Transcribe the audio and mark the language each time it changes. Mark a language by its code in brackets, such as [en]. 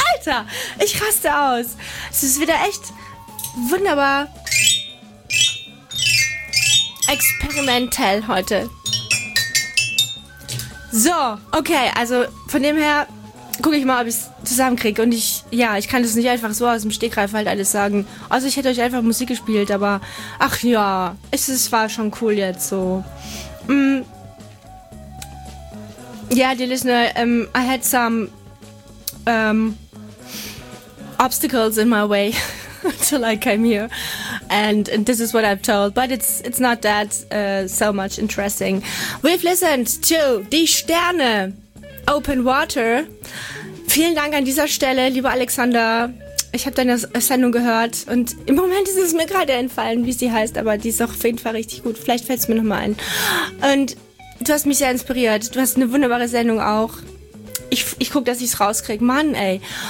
[de] Alter, ich raste aus. Es ist wieder echt wunderbar experimentell heute. So, okay, also von dem her gucke ich mal, ob ich es zusammenkriege. Und ich kann das nicht einfach so aus dem Stegreif halt alles sagen. Also ich hätte euch einfach Musik gespielt, aber ach ja, es war schon cool jetzt so. Die [en] Listener, I had some obstacles in my way until I came here. And this is what I've told. But it's not that so much interesting. We've listened to Die Sterne, Open Water. [de] Vielen Dank an dieser Stelle, lieber Alexander. Ich habe deine Sendung gehört und im Moment ist es mir gerade entfallen, wie sie heißt, aber die ist auch auf jeden Fall richtig gut. Vielleicht fällt es mir nochmal ein. Und Du hast mich sehr inspiriert. Du hast eine wunderbare Sendung auch. Ich guck, dass ich es rauskriege. Mann, ey.